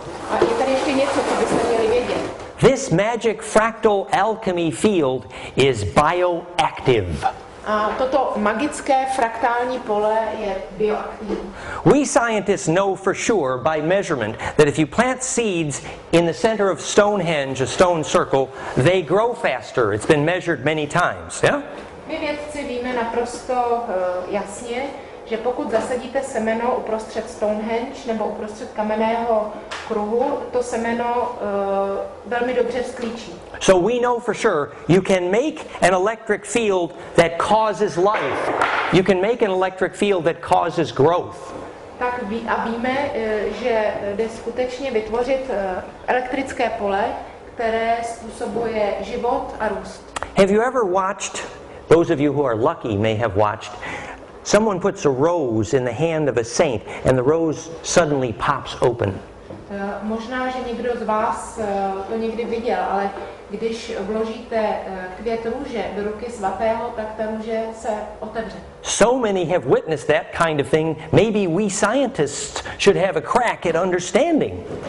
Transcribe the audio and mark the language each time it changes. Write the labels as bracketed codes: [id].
[cs] A je tady ještě něco, co byste měli vědět. [en] this magic fractal alchemy field is bioactive. [cs] Toto magické fraktální pole je bioaktivní. [en] We scientists know for sure by measurement that if you plant seeds in the center of Stonehenge, a stone circle, they grow faster. It's been measured many times. Yeah? [cs] My vědci víme naprosto jasně, že pokud zasadíte semeno uprostřed Stonehenge nebo uprostřed kamenného kruhu, to semeno velmi dobře vzklíčí. [en] So we know for sure you can make an electric field that causes life. You can make an electric field that causes growth. [cs] Tak a víme, že jde skutečně vytvořit elektrické pole, které způsobuje život a růst. [en] Have you ever watched, those of you who are lucky may have watched, someone puts a rose in the hand of a saint and the rose suddenly pops open. [cs] Možná, že někdo z vás to někdy viděl, ale když vložíte květ růže do ruky svatého, tak ta růže se otevře. [en] So many have witnessed that kind of thing. Maybe we scientists should have a crack at understanding.